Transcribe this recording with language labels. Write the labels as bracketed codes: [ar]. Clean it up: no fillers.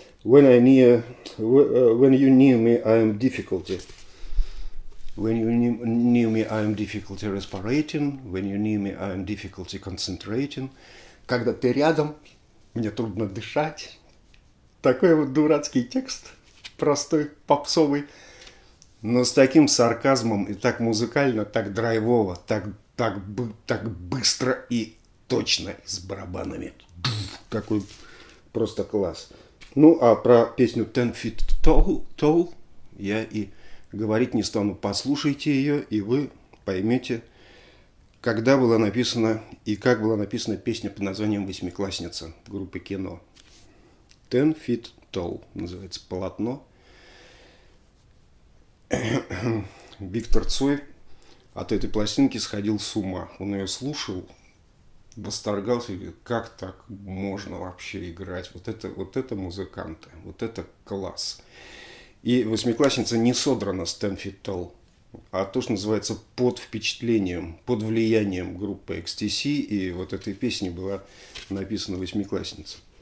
[en] When you near me, I am difficulty. When you near me, I am difficulty respirating. When you near me, I am difficulty concentrating. [ru] Когда ты рядом, мне трудно дышать. Такой вот дурацкий текст, простой, попсовый. Но с таким сарказмом и так музыкально, так драйвово, так быстро и точно с барабанами. Такой просто класс. Ну, а про песню Ten Feet Tall я и говорить не стану. Послушайте ее, и вы поймете, когда была написана и как была написана песня под названием «Восьмиклассница» группы Кино. Ten Feet Tall называется полотно. Виктор Цой от этой пластинки сходил с ума. Он ее слушал, восторгался и говорит, как так можно вообще играть? Вот это музыканты, вот это класс. И «Восьмиклассница» не содрана с Ten Feet Tall, а то, что называется под впечатлением, под влиянием группы XTC, и вот этой песни была написана «Восьмиклассница».